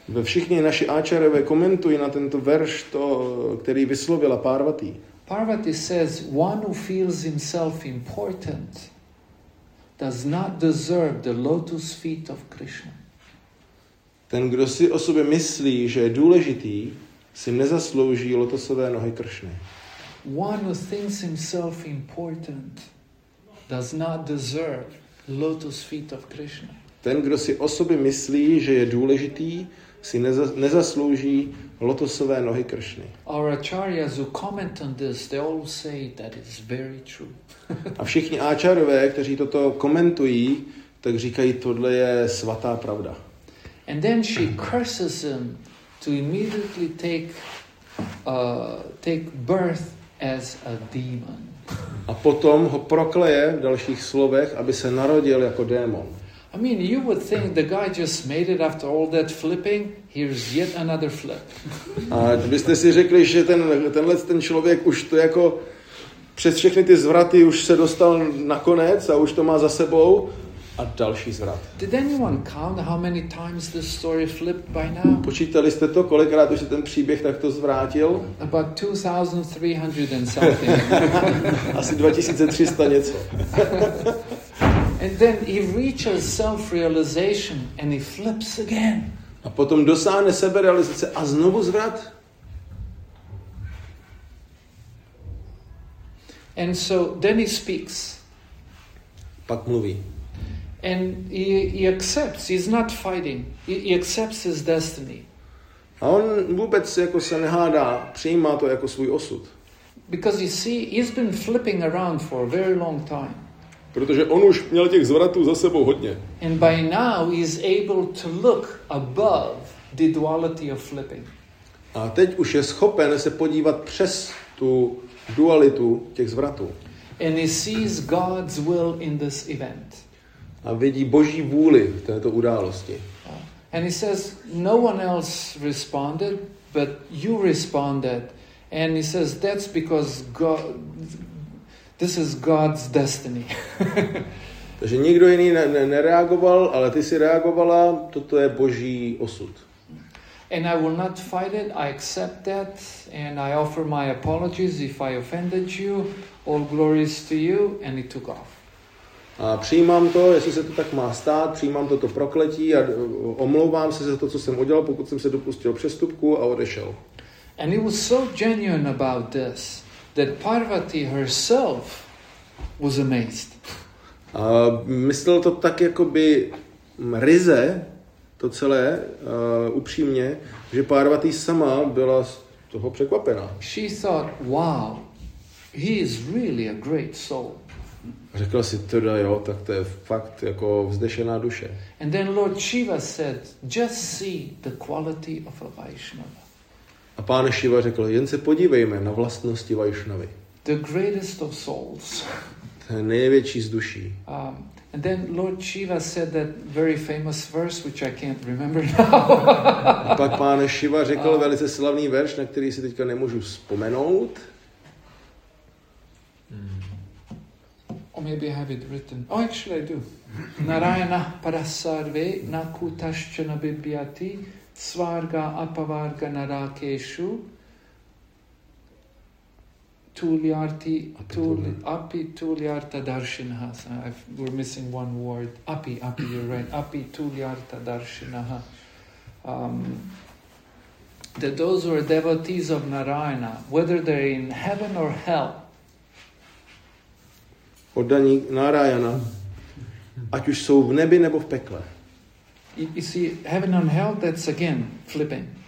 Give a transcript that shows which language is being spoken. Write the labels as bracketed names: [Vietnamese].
[Czech] Všichni naši acharyové komentují na tento verš, který vyslovila Parvati. [English] Parvati says, one who feels himself important does not deserve the lotus feet of Krishna. [Czech] Ten, kdo si o sobě myslí, že je důležitý, si nezaslouží lotosové nohy Kršny. [English] One who thinks himself important does not deserve lotus feet of Krishna. [Czech] Ten, kdo si o sobě myslí, že je důležitý, si nezaslouží lotosové nohy Kršny. [English] Our acharyas who comment on this, they all say that it's very true. [Czech] A všichni áčarové, kteří toto komentují, tak říkají, tohle je svatá pravda. [English] And then she curses him to immediately take take birth as a demon. [Czech] A potom ho prokleje v dalších slovech, aby se narodil jako démon. [English] I mean, you would think the guy just made it after all that flipping. Here's yet another flip. [Czech] A byste si řekli, že tenhle člověk už to jako přes všechny ty zvraty už se dostal na konec a už to má za sebou. A další zvrat. [English] Did anyone count how many times this story flipped by now? [Czech] Počítali jste to, kolikrát už se ten příběh takto zvrátil? [English] About 2300 and something. [Czech] Asi 2300 něco. [English] And then he reaches self-realization and he flips again. [Czech] A potom dosáhne seberealizace a znovu zvrat. [English] And so then he speaks. [Czech] Pak mluví. [English] And he accepts, he's not fighting, he accepts his destiny. [Czech] A on vůbec jako se nehádá, přijímá to jako svůj osud. [English] Because you see, he's been flipping around for a very long time. [Czech] Protože on už měl těch zvratů za sebou hodně. [English] And by now he's able to look above the duality of flipping. [Czech] A teď už je schopen se podívat přes tu dualitu těch zvratů. [English] And he sees God's will in this event. [Czech] A vidí Boží vůli v této události. [English] And he says, no one else responded, but you responded. And he says, that's because God, this is God's destiny. [Czech] Takže nikdo jiný nereagoval, ale ty jsi reagovala, toto je Boží osud. [English] And I will not fight it, I accept that, and I offer my apologies if I offended you, all glories to you, and he took off. [Czech] A přijímám to, jestli se to tak má stát, přijímám toto prokletí a omlouvám se za to, co jsem udělal, pokud jsem se dopustil přestupku a odešel. [English] And he was so genuine about this that Parvati herself was amazed. [Czech] A myslel to tak jakoby ryze, to celé, upřímně, že Parvati sama byla z toho překvapena. [English] She thought, wow, he is really a great soul. [Czech] Řekla si teda jo, tak to je fakt jako vzdešená duše. [English] And then Lord Shiva said, just see the quality of a Vaishnava. [Czech] A pán Shiva řekl, jen se podívejme na vlastnosti Vaishnavy. [English] The greatest of souls. [Czech] Ten největší z duší. [English] And then Lord Shiva said that very famous verse, which I can't remember now. [Czech] A pak pán Shiva řekl velice slavný verš, na který si teďka nemůžu vzpomenout. [English] Or maybe I have it written. Oh, actually I do. [Sanskrit] Narayana parasarve nakutaschana bibhyati svarga apavarga narakeshu tuliarti api tuliarta darshinaha. [English] We're missing one word. Api, you're right. [Sanskrit] Api tuliarta darshinaha. [English] That those who are devotees of Narayana, whether they're in heaven or hell, [Czech] oddaní Narayana, ať už jsou v nebi nebo v pekle. [English] You see, heaven and hell, that's again flipping.